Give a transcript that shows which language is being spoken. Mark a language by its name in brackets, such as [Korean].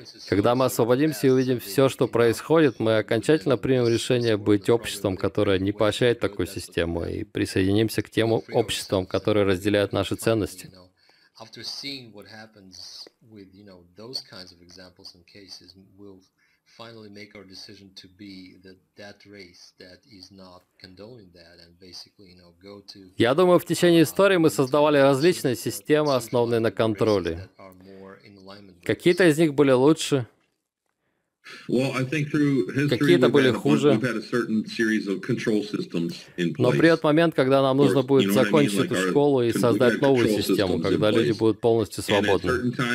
[Russian] Когда мы освободимся и увидим все, что происходит, мы окончательно примем решение быть обществом, которое не поощряет такую систему, и присоединимся к тем обществам, которые разделяют наши ценности. [English] After seeing what happens with, you know, those kinds of examples and cases, we'll finally make our decision to be that race that is not condoning that and basically, you know, go to. [Russian] Я думаю, в течение истории мы создавали различные системы, основанные на контроле. Какие-то из них были лучше. Какие-то были хуже, но придет момент, когда нам нужно будет закончить эту школу и создать новую систему, когда люди будут полностью свободны.